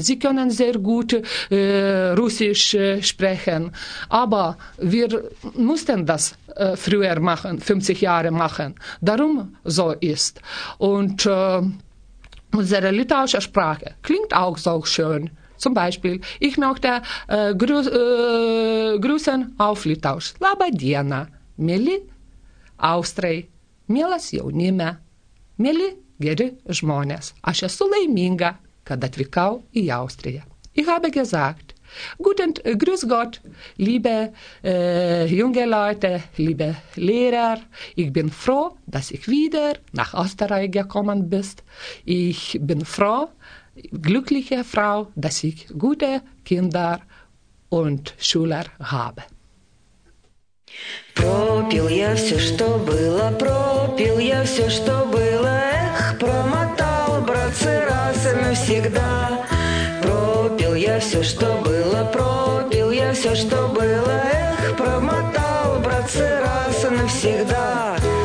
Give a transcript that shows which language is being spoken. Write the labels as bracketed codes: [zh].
[de] Sie können sehr gut Russisch sprechen. Aber wir mussten das früher machen, 50 Jahre machen. Darum so ist. Und unsere litauische Sprache klingt auch so schön. Zum Beispiel, ich möchte grüßen auf Litauisch. [lt] Labą dieną, mieli Austrai, mielas jaunime, mieli geri žmonės. Aš esu laiminga, kad atvykau į Austriją. [de] Ich habe gesagt, guten grüß Gott, liebe junge Leute, liebe Lehrer, ich bin froh, dass ich wieder nach Österreich gekommen bist. Ich bin froh, glückliche Frau, dass ich gute Kinder und Schüler habe. [ru] Пропил я все, что было, пропил я все, что было, эх, промотал, братцы, раз и навсегда. Пропил я все, что было, пропил я все, что было, эх, промотал, братцы, раз и навсегда.